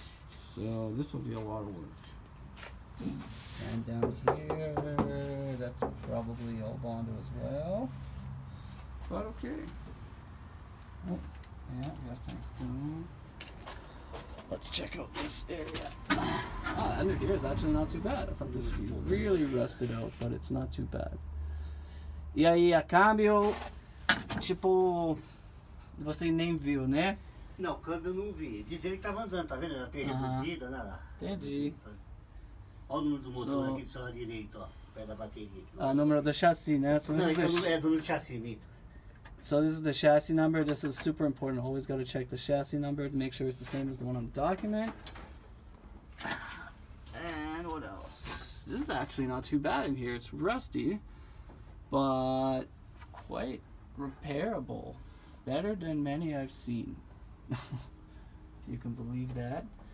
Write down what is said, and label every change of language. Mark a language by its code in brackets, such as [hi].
[en] So this will be a lot of work. And down here, that's probably all Bondo as well. But okay. Oh, yeah, gas tank's gone. Let's check out this area. Under here is actually not too bad. I thought this would be really rusted out, but it's not too bad. [pt] E aí, a câmbio, tipo, você nem viu, né? Não, o câmbio eu não vi. Diz ele que tava andando, tá vendo? Ela tem reduzida, né? Entendi. Olha o número do motor aqui do seu lado direito, ó. Pé da bateria aqui. Ah, o número do chassi, né? So não, isso é do número do chassi, Vitor. [en] So this is the chassis number. This is super important. Always got to check the chassis number to make sure it's the same as the one on the document. And what else? This is actually not too bad in here. It's rusty, but quite repairable, better than many I've seen. You can believe that.